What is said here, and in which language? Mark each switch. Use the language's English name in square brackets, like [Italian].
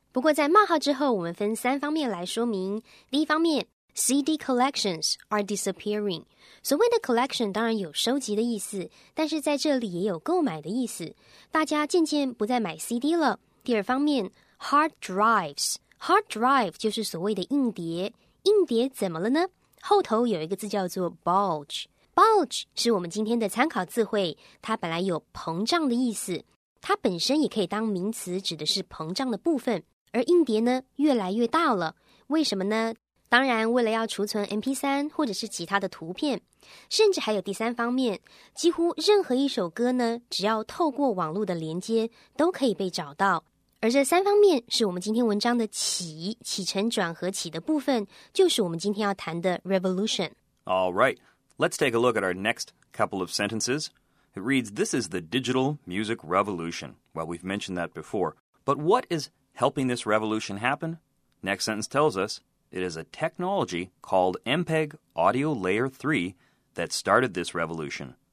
[Chinese] 不过在冒号之后，我们分三方面来说明。第一方面 [English] ，CD collections are disappearing。 [Chinese] 所谓的 collection 当然有收集的意思，但是在这里也有购买的意思，大家渐渐不再买 CD 了。第二方面 ，hard drives。 Hard drive 就是所谓的硬碟，硬碟怎么了呢？后头有一个字叫做 bulge， bulge 是我们今天的参考字汇，它本来有膨胀的意思，它本身也可以当名词，指的是膨胀的部分。而硬碟呢，越来越大了，为什么呢？当然，为了要储存 MP3 或者是其他的图片，甚至还有第三方面，几乎任何一首歌呢，只要透过网络的连接，都可以被找到。而这三方面是我们今天文章的起承转合的部分，就是我们今天要谈的 revolution。 [English] All right, let's take a look at our next couple of sentences. It reads, this is the digital music revolution. Well, we've mentioned that before. But what is helping this revolution happen? Next sentence tells us, it is a technology called MPEG Audio Layer 3 that started this revolution.